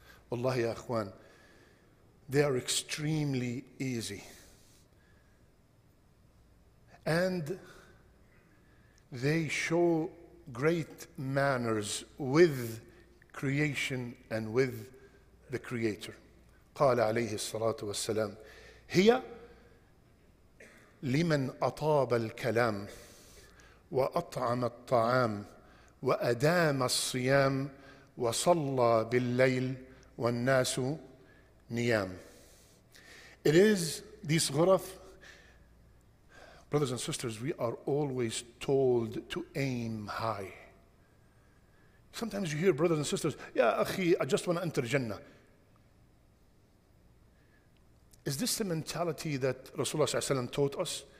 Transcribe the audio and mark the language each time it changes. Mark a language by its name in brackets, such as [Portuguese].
[Arabic] والله يا أخوان, [English] they are extremely easy. And they show great manners with creation and with the Creator. [Arabic] قال عليه الصلاة والسلام, هي لمن أطاب الكلام وأطعم الطعام وأدام الصيام وصلى بالليل والناس نيام. [English] It is this غرف. Brothers and sisters, we are always told to aim high. Sometimes you hear brothers and sisters, [Arabic] Ya akhi, [English] I just want to enter Jannah. Is this the mentality that Rasulullah ﷺ taught us?